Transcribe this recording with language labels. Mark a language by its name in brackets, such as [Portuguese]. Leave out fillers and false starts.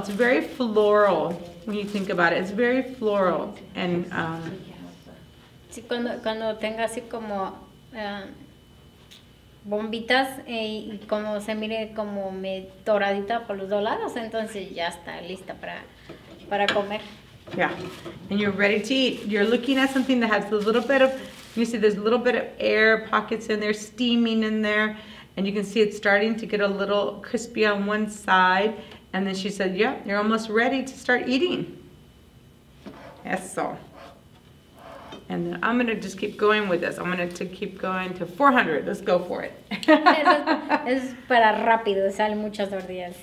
[English] It's very floral when you think about it. It's very floral. And [Spanish] sí, cuando tenga así como bombitas y como se mire como me doradita por los dos lados, entonces ya está lista para comer. [English] Yeah, and you're ready to eat. You're looking at something that has a little bit of, you see there's a little bit of air pockets in there, steaming in there, and you can see it's starting to get a little crispy on one side. And then she said, yeah, you're almost ready to start eating. Eso. And then I'm going to just keep going with this. I'm going to keep going to 400. Let's go for it. [Spanish] Es para rápido, salen muchas tortillas.